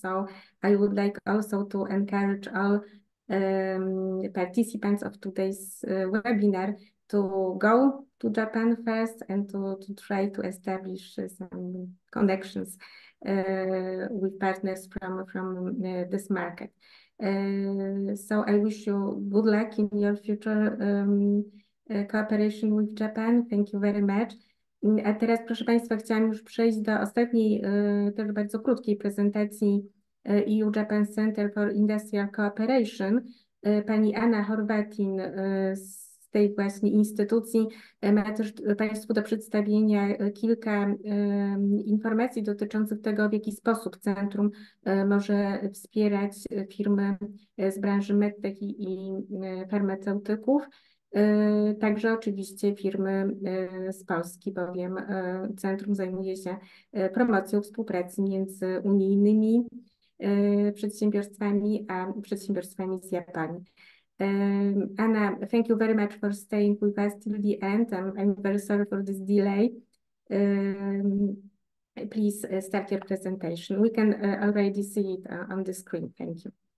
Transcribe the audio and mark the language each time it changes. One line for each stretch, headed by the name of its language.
English: So I would like also to encourage all participants of today's webinar to go to Japan first and to try to establish some connections with partners from this market. So I wish you good luck in your future cooperation with Japan. Thank you very much.
Polish: A teraz, proszę Państwa, chciałam już przejść do ostatniej, też bardzo krótkiej prezentacji EU Japan Center for Industrial Cooperation, pani Anna Horvatin z tej właśnie instytucji. Ma też Państwu do przedstawienia kilka informacji dotyczących tego, w jaki sposób centrum może wspierać firmy z branży medtech i farmaceutyków. Także oczywiście firmy z Polski, bowiem centrum zajmuje się promocją współpracy między unijnymi przedsiębiorstwami a przedsiębiorstwami z Japonii.
English: Anna, thank you very much for staying with us till the end. I'm very sorry for this delay. Please start your presentation. We can already see it on the screen. Thank you.